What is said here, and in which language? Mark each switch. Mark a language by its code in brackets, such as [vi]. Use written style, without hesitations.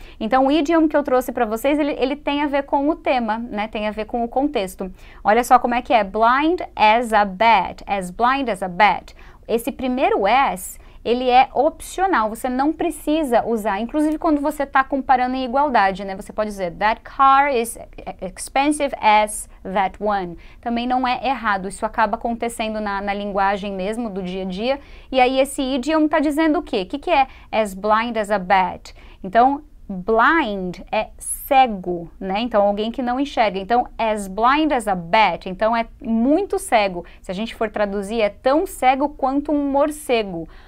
[pt] Então, o idiom que eu trouxe para vocês, ele tem a ver com o tema, né, tem a ver com o contexto. Olha só como é que é, [en] blind as a bat, as blind as a bat. [pt] Esse primeiro S... ele é opcional, você não precisa usar, inclusive quando você está comparando em igualdade, né? Você pode dizer, [en] that car is expensive as that one. [pt] Também não é errado, isso acaba acontecendo na linguagem mesmo, do dia a dia. E aí esse idiom está dizendo o quê? O que, que é [en] as blind as a bat? [pt] Então, blind é cego, né? Então, alguém que não enxerga. Então, [en] as blind as a bat, [pt] então é muito cego. Se a gente for traduzir, é tão cego quanto um morcego.